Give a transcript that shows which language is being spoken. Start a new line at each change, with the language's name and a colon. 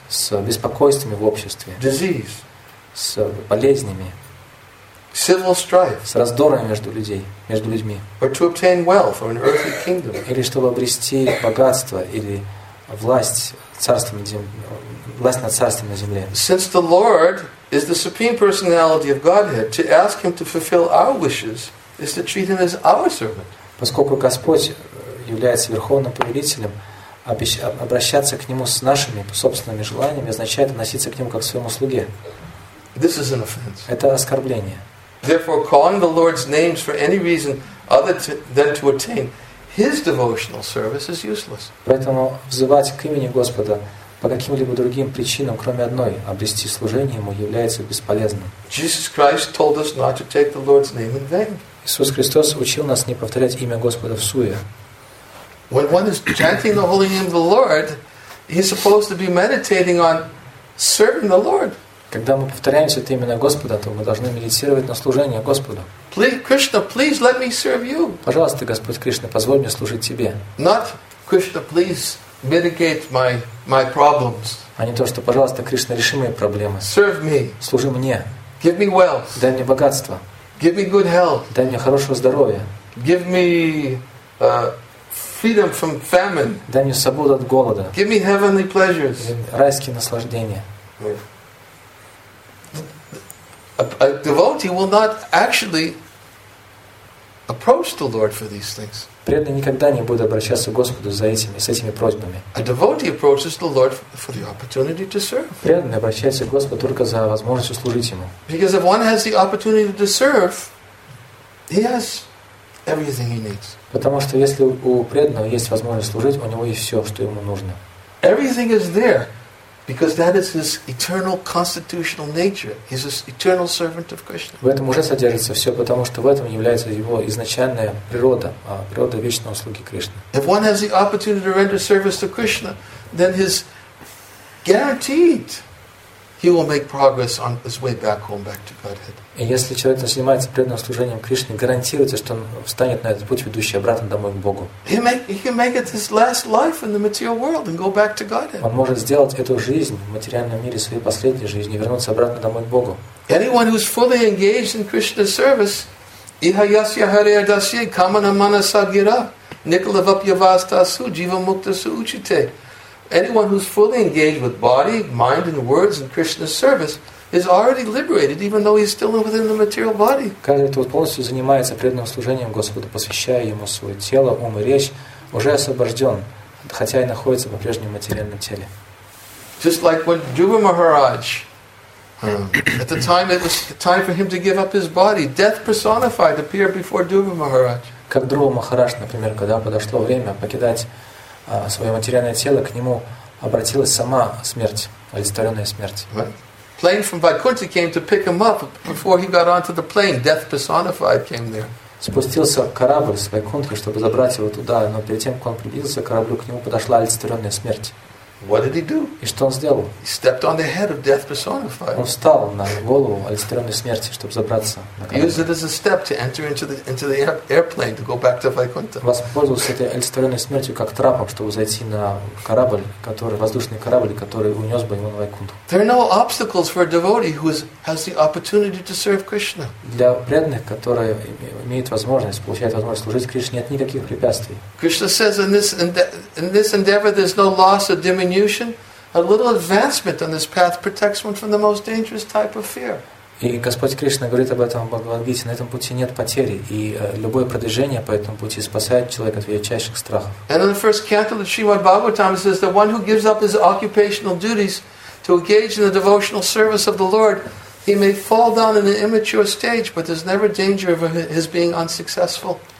Russian: С беспокойствами в обществе.
English: Disease.
Russian: С болезнями.
English: Civil strife.
Russian: С раздорами между людей, между людьми.
English: Or to obtain wealth or an earthly kingdom.
Russian: Или чтобы обрести богатство или власть, царство на земле. Власть над царством на земле.
English: Since the Lord is the supreme personality of Godhead, to ask Him to fulfill our wishes is to treat Him as our servant.
Russian: Поскольку Господь является верховным повелителем, обращаться к Нему с нашими собственными желаниями означает относиться к Нему как к своему слуге.
English: This is an offense.
Russian: Это оскорбление.
English: Therefore, calling the Lord's names for any reason other than to attain His devotional service is useless.
Russian: Поэтому взывать к имени Господа по каким-либо другим причинам, кроме одной, обрести служение ему является бесполезным.
English: Jesus Christ told us not to take the Lord's name in vain.
Russian: Иисус Христос учил нас не повторять имя Господа всуе.
English: When one is chanting the holy name of the Lord, he's supposed to be meditating on serving the Lord.
Russian: Когда мы повторяем это имя Господа, то мы должны медитировать на служении Господу.
English: Please, Krishna, please let me serve you.
Russian: Пожалуйста, Господь Кришна, позволь мне служить тебе.
English: Not Krishna, please. Mitigate my problems.
Russian: А не то, что, пожалуйста, Кришна, реши мои проблемы.
English: Serve me.
Russian: Служи мне.
English: Give me wealth.
Russian: Дай мне богатство.
English: Give me good health.
Russian: Дай мне хорошего здоровья.
English: Give me freedom from famine.
Russian: Дай мне свободу от голода.
English: Give me heavenly pleasures.
Russian: Райские наслаждения.
English: A devotee will not actually approach the Lord for these things.
Russian: Преданный никогда не будет обращаться к Господу за этими, с этими просьбами.
English: A devotee approaches the Lord for the opportunity to serve.
Russian: Преданный обращается к Господу только за возможностью служить ему.
English: Because if one has the opportunity to serve, he has everything he needs.
Russian: Потому что если у преданного есть возможность служить, у него есть все, что ему нужно.
English: Everything is there. Because that is his eternal constitutional nature. He's an eternal servant of Krishna.
Russian: В этом уже содержится все, потому что в этом является его изначальная природа, природа вечного слуги Кришны.
English: If one has the opportunity to render service to Krishna, then he's guaranteed he will make progress on his way back home, back to Godhead.
Russian: И если человек занимается преданным служением Кришне, гарантируется, что он встанет на этот путь, ведущий обратно домой к Богу.
English: He can make it his last life in the material world and go back to Godhead.
Russian: Он может сделать эту жизнь в материальном мире своей последней жизнью и вернуться обратно домой к Богу.
English: Anyone who is fully engaged in Krishna's service,
Sanskrit: ihayasya hariya dasye kamana manasa gira nikala vapyavastasu jiva mukta su uchite.
English: Anyone who's fully engaged with body, mind, and words in Krishna's service is already liberated, even though he's still within the material body.
Russian: Каждый, кто полностью занимается преданным служением Господу, посвящая ему свое тело, ум и речь, уже освобожден хотя и находится по-прежнему в материальном теле.
English: Just like when Dhruva Maharaj, at the time it was time for him to give up his body, death personified appeared before Dhruva Maharaj.
Russian: Как Друва Махарадж, например, когда подошло время покидать свое материальное тело, к нему обратилась сама смерть, олицетворенная смерть.
English: Plane from Vaikuntha came to pick him up before he got onto the plane. Death personified came there.
Russian: Спустился корабль с Вайкунтхи, чтобы забрать его туда, но перед тем, как он приблизился к кораблю, к нему подошла олицетворенная смерть.
English: What did he do?
Russian: И что он сделал?
English: He stepped on the head of death personified.
Russian: Он встал на голову олицетворенной смерти, чтобы забраться на корабль.
English: Used it as a step to enter into the airplane to go back to Vaikuntha.
Russian: Воспользовался этой олицетворенной смертью как трапом, чтобы зайти на корабль, который воздушный корабль, который унес бы его на Вайкунтху.
English: There are no obstacles for a devotee who has the opportunity to serve Krishna.
Russian: Для преданных, которые имеют возможность, получают возможность служить Кришне, нет никаких препятствий.
English: Krishna says in this endeavor there's no loss or diminution. A little advancement on this path protects one from the most dangerous type of fear.
Russian: И Господь Кришна говорит об этом в Бхагавад-гите, на этом пути нет потери, и любое продвижение по этому пути спасает человека от величайших страхов.
English: And in the first canto of Srimad Bhagavatam says that one who gives up his occupational duties to engage in the devotional service of the Lord, he may fall down in an immature stage, but there's never danger of his being unsuccessful.